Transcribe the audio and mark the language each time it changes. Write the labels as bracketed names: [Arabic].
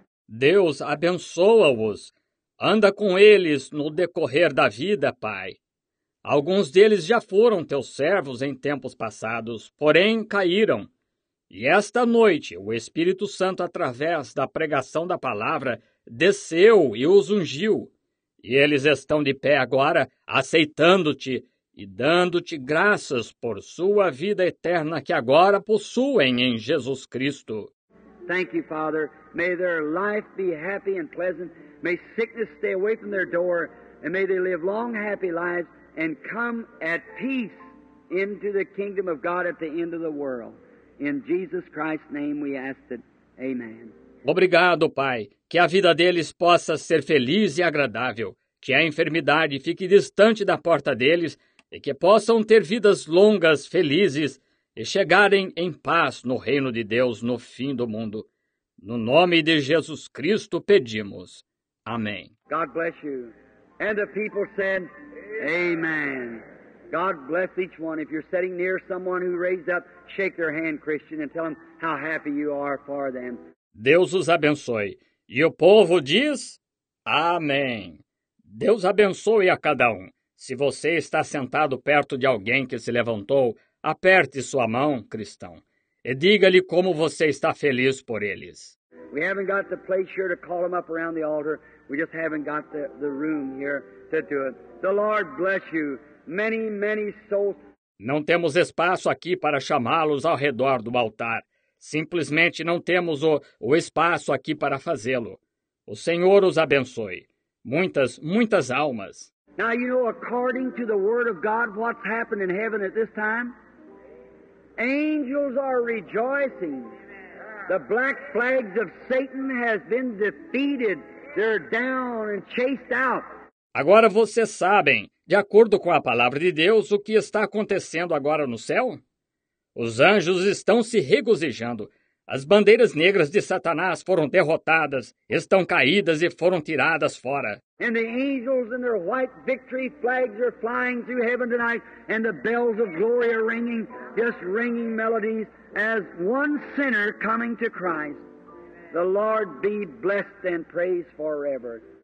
[Portuguese] Deus abençoa-os. Anda com eles no decorrer da vida, Pai. Alguns deles já foram teus servos em tempos passados, porém caíram. E esta noite, o Espírito Santo, através da pregação da palavra, desceu e os ungiu. E eles estão de pé agora, aceitando-te e dando-te graças por sua vida eterna que agora possuem em Jesus Cristo. [English] Thank you, Father. May their life be happy and pleasant. May sickness stay away from their door. And may they live long, happy lives and come at peace into the kingdom of God at the end of the world. In Jesus Christ's name we ask it. Amen. [Portuguese] Obrigado, Pai, que a vida deles possa ser feliz e agradável, que a enfermidade fique distante da porta deles e que possam ter vidas longas, felizes e chegarem em paz no reino de Deus no fim do mundo. No nome de Jesus Cristo pedimos. Amém. [English] God bless you. And the people said, amen. God bless each one. If you're sitting near someone who raised up, shake their hand, Christian, and tell them how happy you are for them. [Portuguese] Deus os abençoe. E o povo diz, amém. Deus abençoe a cada um. Se você está sentado perto de alguém que se levantou, aperte sua mão, cristão, e diga-lhe como você está feliz por eles. [English] We haven't got the place here to call them up around the altar. We just haven't got the room here to do it. The Lord bless you. Many, many souls. [Portuguese] Não temos espaço aqui para chamá-los ao redor do altar. Simplesmente não temos o espaço aqui para fazê-lo. O Senhor os abençoe. Muitas, muitas almas. [English] Now, you know, according to the Word of God, what's happened in heaven at this time? Angels are rejoicing. The black flags of Satan has been defeated. They're down and chased out. [Portuguese] Agora vocês sabem, de acordo com a palavra de Deus, o que está acontecendo agora no céu? Os anjos estão se regozijando. As bandeiras negras de Satanás foram derrotadas, estão caídas e foram tiradas fora. [English] And the angels and their white victory flags are flying through heaven tonight, and the bells of glory are ringing, just ringing melodies, as one sinner coming to Christ. The Lord be blessed and praised forever.